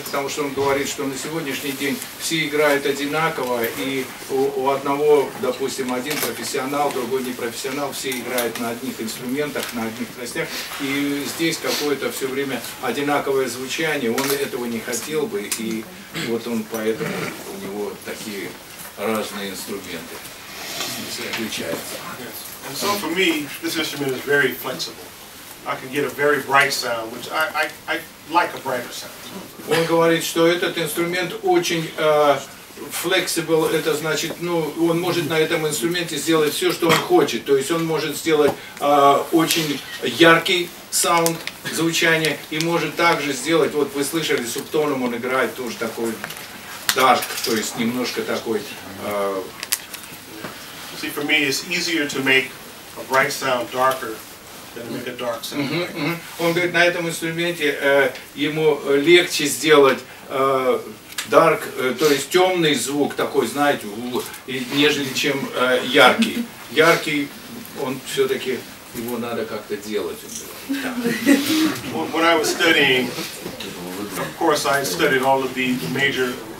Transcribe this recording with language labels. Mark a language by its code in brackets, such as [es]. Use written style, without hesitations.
[ru] Потому что он говорит, что на сегодняшний день все играют одинаково, и у одного, допустим, один профессионал, другой не профессионал, все играют на одних инструментах, на одних тростях, и здесь какое-то все время одинаковое звучание, он этого не хотел бы, и вот он поэтому, у него такие разные инструменты заключаются. [en] Yes. So for me, this instrument is very flexible. I can get a very bright sound, which I like a brighter sound. [ru] Он говорит, что этот инструмент очень flexible. Это значит, ну, он может на этом инструменте сделать все, что он хочет. То есть он может сделать очень яркий sound, звучание, и может также сделать. Вот вы слышали, субтоном он играет тоже такой dark, то есть немножко такой. [en] See, for me, it's easier to make a bright sound darker. Dark sound, right? Mm-hmm, mm-hmm. [ru] Он говорит, на этом инструменте ему легче сделать dark, то есть темный звук такой, знаете, нежели чем яркий. Яркий, он все-таки, его надо как-то делать. [en] When I was studying, of course I studied all of the major